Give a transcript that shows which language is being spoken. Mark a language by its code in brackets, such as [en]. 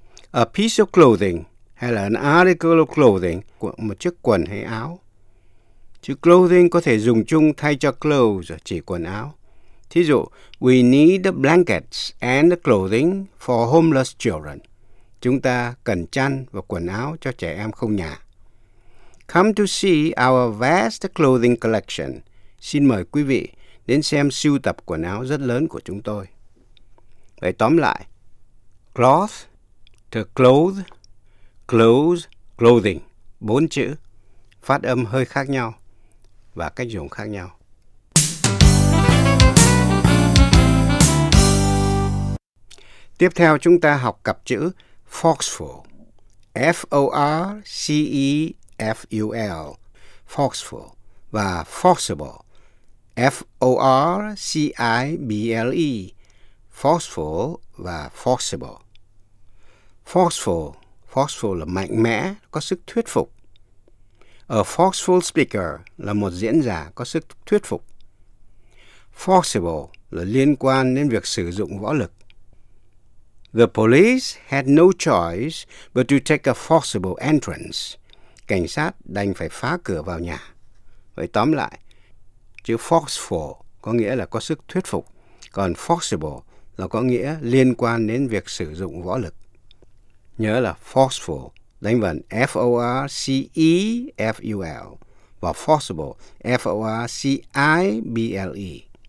[en] A piece of clothing hay là an article of clothing, [vi] một chiếc quần hay áo. Chữ clothing có thể dùng chung thay cho clothes, chỉ quần áo. Thí dụ, [en] we need the blankets and the clothing for homeless children. [vi] Chúng ta cần chăn và quần áo cho trẻ em không nhà. [en] Come to see our vast clothing collection. [vi] Xin mời quý vị đến xem sưu tập quần áo rất lớn của chúng tôi. Vậy tóm lại, cloth, to clothe, clothes, clothing, bốn chữ, phát âm hơi khác nhau và cách dùng khác nhau. Tiếp theo chúng ta học cặp chữ forceful, F-O-R-C-E-F-U-L, forceful, và forcible, F-O-R-C-I-B-L-E, forceful và forcible. Forceful, forceful là mạnh mẽ, có sức thuyết phục. [en] A forceful speaker [vi] là một diễn giả có sức thuyết phục. Forcible là liên quan đến việc sử dụng võ lực. [en] The police had no choice but to take a forcible entrance. [vi] Cảnh sát đành phải phá cửa vào nhà. Vậy tóm lại, chữ forceful có nghĩa là có sức thuyết phục, còn forcible là có nghĩa liên quan đến việc sử dụng võ lực. Nhớ là forceful đánh vần F-O-R-C-E-F-U-L và forcible F-O-R-C-I-B-L-E.